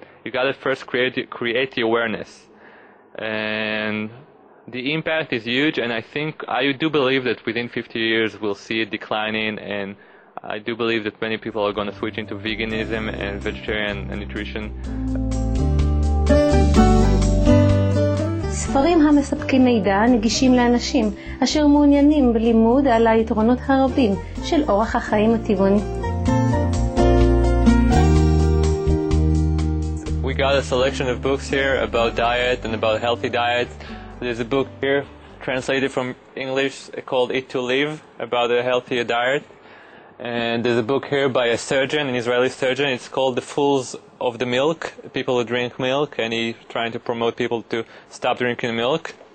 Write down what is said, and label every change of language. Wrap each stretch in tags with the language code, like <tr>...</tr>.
<en>You gotta first create the awareness. And the impact is huge, and I do believe that within 50 years we'll see it declining, and I do believe that many people are gonna switch into veganism and vegetarian nutrition.</en> <he>ספרים המספקים מידע נגישים לאנשים אשר מעוניינים בלימוד על היתרונות הרבים של אורח החיים הטבעוני.</he> <en>We got a selection of books here about diet and about healthy diet. There's a book here translated from English called Eat to Live, about a healthier diet. And there's a book here by a surgeon, an Israeli surgeon. It's called The Fools of the Milk, people who drink milk, and he's trying to promote people to stop drinking milk.</en>